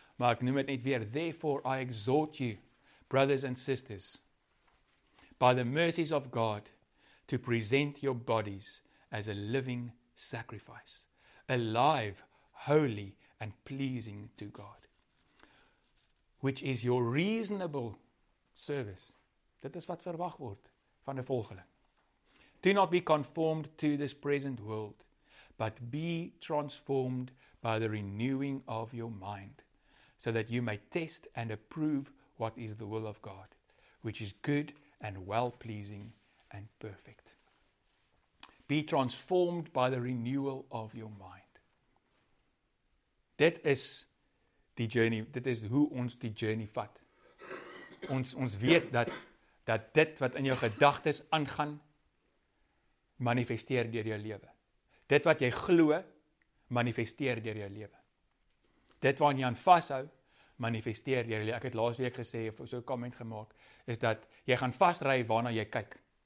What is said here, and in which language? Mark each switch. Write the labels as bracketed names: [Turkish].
[Afrikaans] Maar ek noem het net weer, [English] therefore I exhort you, brothers and sisters, by the mercies of God, to present your bodies as a living sacrifice, alive, holy, and pleasing to God, which is your reasonable service. [Afrikaans] Dit is wat verwag word van 'n volgeling. [English] Do not be conformed to this present world, but be transformed by the renewing of your mind, so that you may test and approve what is the will of God, which is good and well-pleasing and perfect. Be transformed by the renewal of your mind. [Afrikaans] Dit is die journey, dit is hoe ons die journey vat. Ons weet dat dit wat in jou gedagtes aangaan, manifesteer deur jou lewe. Dit wat jy glo, manifesteer deur jou lewe. Dit waarin jy aan vashou, manifesteer deur jou lewe. Ek het laas week gesê, of so 'n comment gemaak, is dat jy gaan vasry waarna jy kyk.